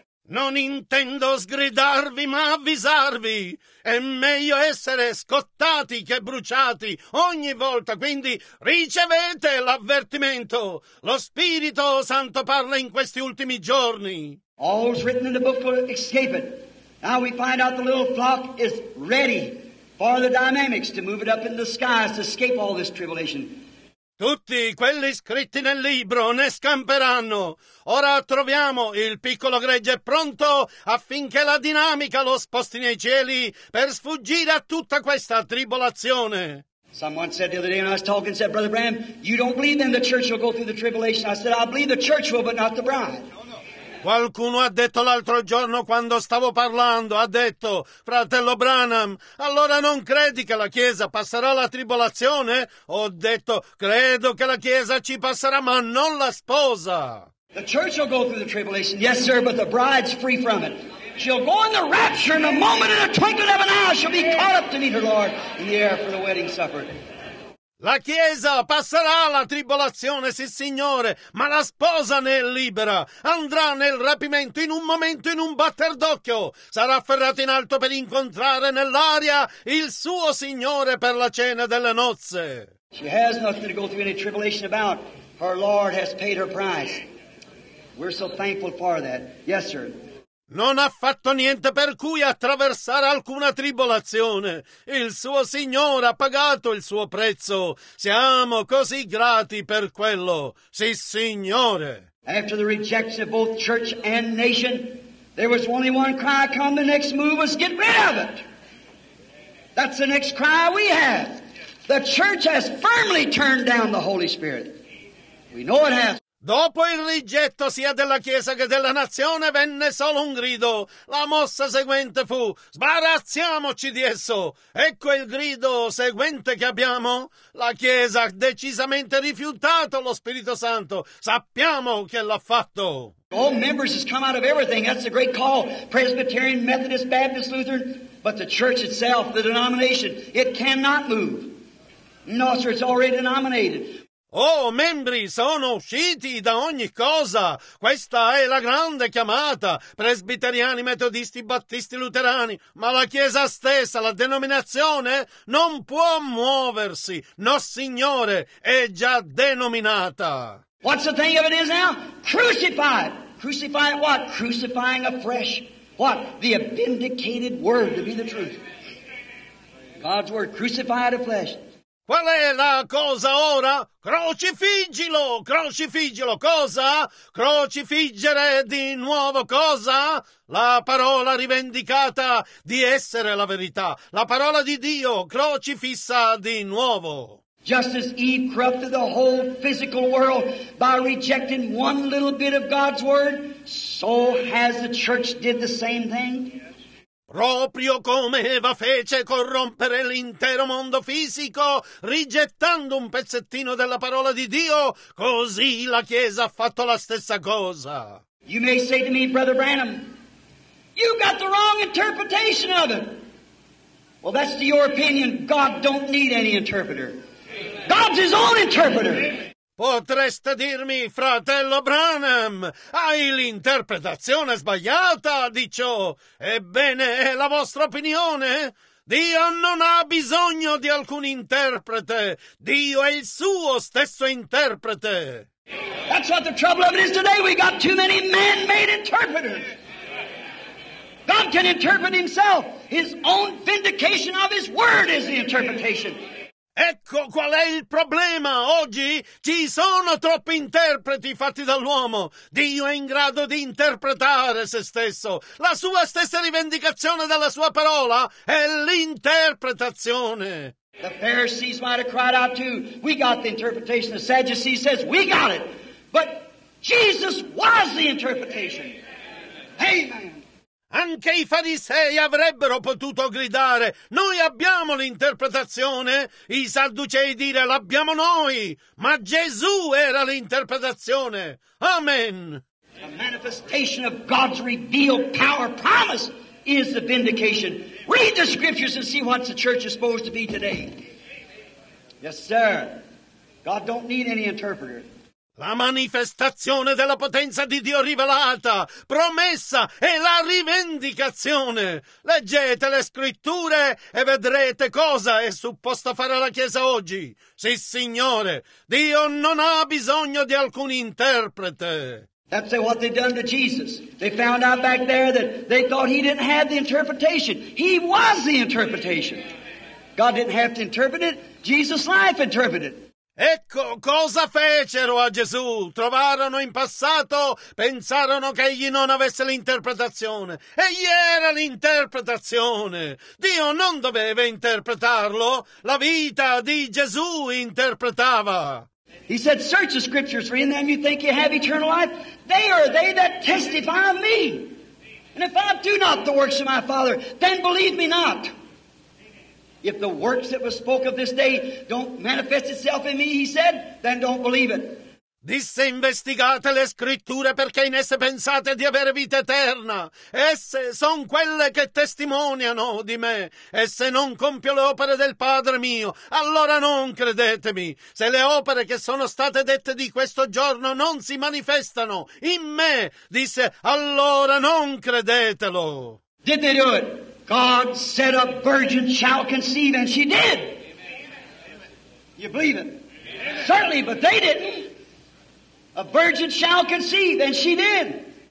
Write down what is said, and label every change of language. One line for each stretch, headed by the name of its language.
Italian: Non intendo sgridarvi, ma avvisarvi. È meglio essere scottati che bruciati ogni volta. Quindi ricevete l'avvertimento. Lo Spirito Santo parla in questi ultimi giorni.
English: All's written in the book of escape it. Now we find out the little flock is ready for the dynamics to move it up in the skies to escape all this tribulation.
Italian: Tutti quelli scritti nel libro ne scamperanno. Ora troviamo il piccolo gregge pronto affinché la dinamica lo sposti nei cieli per sfuggire a tutta questa tribolazione.
English: Someone said the other day when I was talking, said, Brother Bram, you don't believe then the church will go through the tribulation. I said, I believe the church will, but not the bride.
Italian: Qualcuno ha detto l'altro giorno quando stavo parlando, ha detto, fratello Branham, allora non credi che la Chiesa passerà la tribolazione? Ho detto, credo che la Chiesa ci passerà, ma non la sposa.
English: The church will go through the tribulation, yes sir, but the bride's free from it. She'll go in the rapture in a moment, in a twinkling of an eye, she'll be caught up to meet her Lord in the air for the wedding supper.
Italian: La Chiesa passerà la tribolazione, sì signore, ma la sposa ne è libera. Andrà nel rapimento in un momento, in un batter d'occhio. Sarà afferrata in alto per incontrare nell'aria il suo Signore per la cena delle nozze.
English: She has nothing to go through any tribulation about. Her Lord has paid her price. We're so thankful for that. Yes, sir.
Italian: Non ha fatto niente per cui attraversare alcuna tribolazione. Il suo Signore ha pagato il suo prezzo. Siamo così grati per quello. Sì, Signore.
English: After the rejection of both church and nation, there was only one cry, come the next move was get rid of it. That's the next cry we have. The church has firmly turned down the Holy Spirit. We know it has.
Italian: Dopo il rigetto sia della Chiesa che della nazione venne solo un grido. La mossa seguente fu, sbarazziamoci di esso. Ecco il grido seguente che abbiamo. La Chiesa ha decisamente rifiutato lo Spirito Santo. Sappiamo che l'ha fatto.
English: All members has come out of everything. That's a great call. Presbyterian, Methodist, Baptist, Lutheran. But the church itself, the denomination, it cannot move. No, sir, it's already denominated.
Italian: Oh, membri, sono usciti da ogni cosa. Questa è la grande chiamata. Presbiteriani, metodisti, battisti, luterani. Ma la Chiesa stessa, la denominazione, non può muoversi. No, Signore, è già denominata.
English: What's the thing of it is now? Crucified. Crucified what? Crucifying afresh. What? The vindicated word to be the truth. God's word, crucified afresh.
Italian: Qual è la cosa ora? Crocifiggilo! Crocifiggilo! Cosa? Crocifiggere di nuovo cosa? La parola rivendicata di essere la verità. La parola di Dio crocifissa di nuovo.
English: Just as Eve corrupted the whole physical world by rejecting one little bit of God's word, so has the church did the same thing.
Italian: Proprio come Eva fece corrompere l'intero mondo fisico, rigettando un pezzettino della parola di Dio, così la Chiesa ha fatto la stessa cosa.
English: You may say to me, Brother Branham, you got the wrong interpretation of it. Well, that's to your opinion. God don't need any interpreter. God's his own interpreter.
Italian: Potreste dirmi, fratello Branham, hai l'interpretazione sbagliata di ciò. Ebbene, è la vostra opinione? Dio non ha bisogno di alcun interprete. Dio è il suo stesso interprete.
English: That's what the trouble of it is today. We got too many man-made interpreters. God can interpret himself. His own vindication of his word is the interpretation.
Italian: Ecco qual è il problema. Oggi ci sono troppi interpreti fatti dall'uomo. Dio è in grado di interpretare se stesso. La sua stessa rivendicazione della sua parola è l'interpretazione.
English: The Pharisees might have cried out too. We got the interpretation. The Sadducees says we got it. But Jesus was the interpretation. Amen.
Italian: Anche i farisei avrebbero potuto gridare, noi abbiamo l'interpretazione, i sadducei dire l'abbiamo noi, ma Gesù era l'interpretazione. Amen.
English: The manifestation of God's revealed power promise is the vindication. Read the scriptures and see what the church is supposed to be today. Yes, sir. God don't need any interpreter.
Italian: La manifestazione della potenza di Dio rivelata, promessa, è la rivendicazione. Leggete le scritture e vedrete cosa è supposto fare la Chiesa oggi. Sì, Signore, Dio non ha bisogno di alcun interprete.
English: That's what they've done to Jesus. They found out back there that they thought he didn't have the interpretation. He was the interpretation. God didn't have to interpret it. Jesus' life interpreted.
Italian: Ecco cosa fecero a Gesù. Trovarono in passato, pensarono che egli non avesse l'interpretazione. Egli era l'interpretazione. Dio non doveva interpretarlo. La vita di Gesù interpretava.
English: He said, search the scriptures, for in them you think you have eternal life. They are they that testify of me. And if I do not the works of my Father, then believe me not. If the works that were spoke of this day don't manifest itself in me, he said, then don't believe it.
Italian: Disse, investigate le scritture perché in esse pensate di avere vita eterna. Esse sono quelle che testimoniano di me. E se non compio le opere del Padre mio, allora non credetemi. Se le opere che sono state dette di questo giorno non si manifestano in me, disse, allora non credetelo.
English: Did they do it? God said a virgin shall conceive, and she did. Amen. You believe it? Amen. Certainly, but they didn't. A virgin shall conceive, and she did.